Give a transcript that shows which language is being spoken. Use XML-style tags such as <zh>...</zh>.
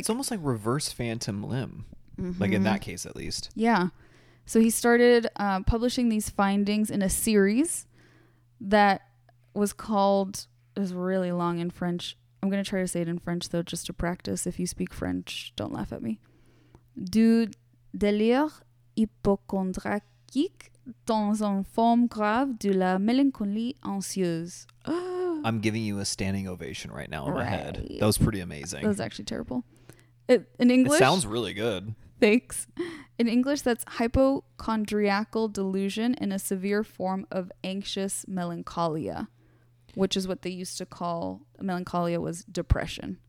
<en>it's almost like reverse phantom limb, like in that case, at least. Yeah. So he started publishing these findings in a series that was called, it was really long in French. I'm going to try to say it in French, though, just to practice. If you speak French, don't laugh at me.</en> <fr>Du délire hypochondriaque dans une forme grave de la mélancolie anxieuse.</fr> <en>I'm giving you a standing ovation right now in my head. That was pretty amazing. That was actually terrible. In English? It sounds really good. Thanks. In English, that's hypochondriacal delusion in a severe form of anxious melancholia. Which is what they used to call melancholia, was depression.</en>